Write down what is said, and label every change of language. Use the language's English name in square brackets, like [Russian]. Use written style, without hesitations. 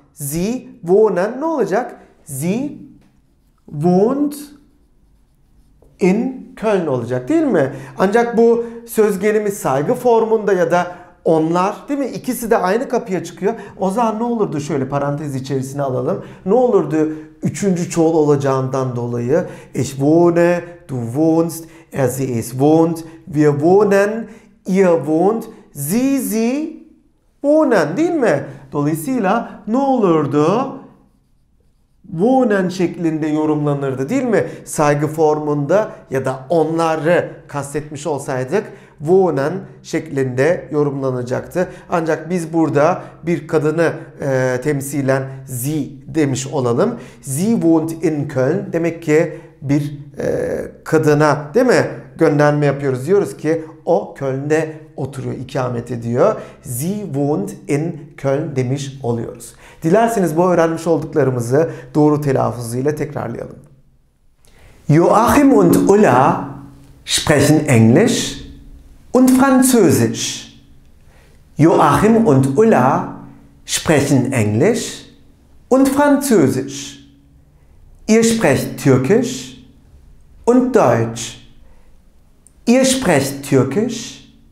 [German] Sie wohnen [Turkish] ne olacak? [German] Sie wohnt in Köln [Turkish] olacak değil mi? Ancak bu söz gelimi saygı formunda ya da onlar değil mi? İkisi de aynı kapıya çıkıyor. O zaman ne olurdu, şöyle parantez içerisine alalım. Ne olurdu üçüncü çoğul olacağından dolayı? [German] Ich wohne, du wohnst, er, sie, es wohnt, wir wohnen, ihr wohnt, sie, sie wohnen [Turkish] değil mi? Dolayısıyla ne olurdu? Wohnen şeklinde yorumlanırdı değil mi? Saygı formunda ya da onları kastetmiş olsaydık wohnen şeklinde yorumlanacaktı. Ancak biz burada bir kadını temsilen sie demiş olalım. [German] Sie wohnt in Köln. [Turkish] Demek ki bir kadına değil mi gönderme yapıyoruz. Diyoruz ki o Köln'de oturuyor, ikamet ediyor. [German] Sie wohnt in Köln [Turkish] demiş oluyoruz. Dilerseniz bu öğrenmiş olduklarımızı doğru telaffuzuyla tekrarlayalım. [German] Joachim und Ulla sprechen Englisch und Französisch. Joachim und Ulla sprechen Englisch und Französisch. Ihr sprecht Türkisch und Deutsch. Ihr sprecht Türkisch